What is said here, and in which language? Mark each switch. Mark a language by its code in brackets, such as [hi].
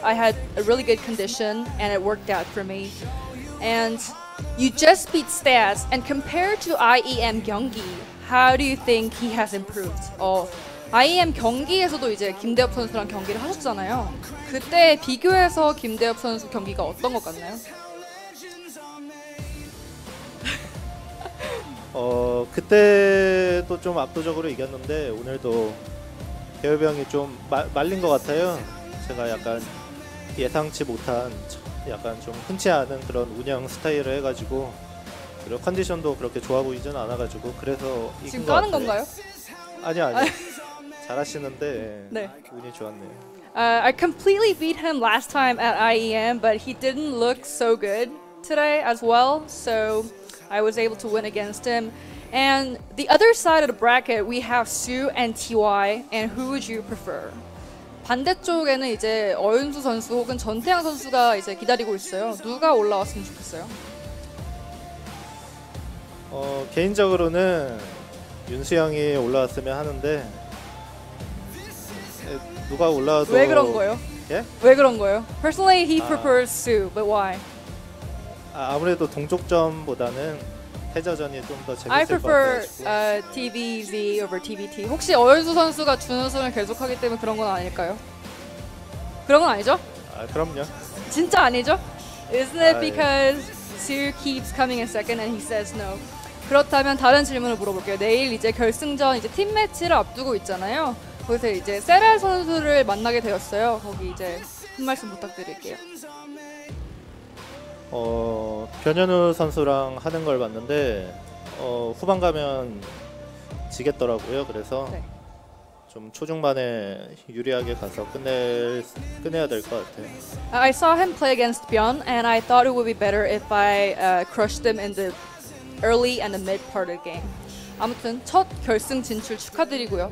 [en] I had a really good condition, and it worked out for me. And you just beat Stats, and compared to IEM 경기, how do you think he has improved? [ko] Oh, IEM 경기에서도 이제 김대엽 선수랑 경기를 하셨잖아요. 그때 비교해서 김대엽 선수 경기가 어떤 것 같나요? 그때도 좀 압도적으로 이겼는데 오늘도 대엽이 형이 좀 말린 것 같아요. 제가 약간 예상치 못한 약간 좀 흔치 않은 그런 운영 스타일을 해가지고 그리고 컨디션도 그렇게 좋아 보이진 않아가지고 그래서 이긴 지금 까는 건가요? 아니요. 잘하시는데 네. 운이 좋았네요. [en] I completely beat him last time at IEM, but he didn't look so good today as well, so I was able to win against him. And the other side of the bracket, we have Sue and TY, and who would you prefer? [ko] 반대쪽에는 이제 어윤수 선수 혹은 전태양 선수가 이제 기다리고 있어요. 누가 올라왔으면 좋겠어요? 개인적으로는 윤수 형이 올라왔으면 하는데 누가 올라와도 왜 그런 거예요? 예? 왜 그런 거예요? [en] Personally, he prefers Sue, but why? [ko] 아무래도 동쪽전보다는 해저전이 좀 더 재밌을 것 같아요. [en] I prefer TVZ over TVT. [ko] 혹시 어윤수 선수가 준우승을 계속하기 때문에 그런 건 아닐까요? 그런 건 아니죠? 아, 그럼요. 진짜 아니죠? [en] Isn't it because Sue keeps coming in second and he says no? [ko] 그렇다면 다른 질문을 물어볼게요. 내일 이제 결승전 이제 팀 매치를 앞두고 있잖아요. 거기서 이제 세랄 선수를 만나게 되었어요. 거기 이제 한 말씀 부탁드릴게요. 변현우 선수랑 하는 걸 봤는데 후반 가면 지겠더라고요. 그래서 좀 초중반에 유리하게 가서 끝내야 될 것 같아요. [en] I saw him play against Bion, and I thought it would be better if I crushed him in the early and the mid part of the game. [ko] 아무튼 첫 결승 진출 축하드리고요.